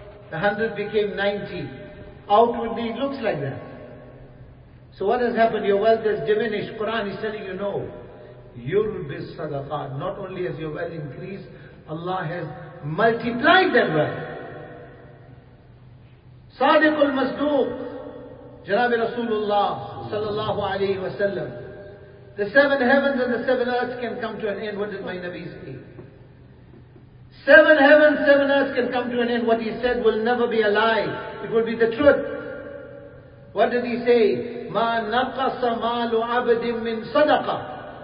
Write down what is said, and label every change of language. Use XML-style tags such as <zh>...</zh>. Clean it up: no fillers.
<en>The 100 became 90. Outwardly it looks like that. So what has happened? Your wealth has diminished. Quran is telling you, no.</en> <ar>يُرْبِ الصَّدَقَاتِ.</ar> <en>Not only has your wealth increased, Allah has multiplied that wealth.</en> <ar>صادق المصدوق جناب رسول الله صلى الله عليه وسلم.</ar> <en>The seven heavens and the seven earths can come to an end. What did my Nabi say? Seven heavens, seven earths can come to an end. What he said will never be a lie. It will be the truth. What did he say?</en> <ar>مَا نَقَصَ مَالُ عَبْدٍ مِّن صَدَقَةٍ.</ar>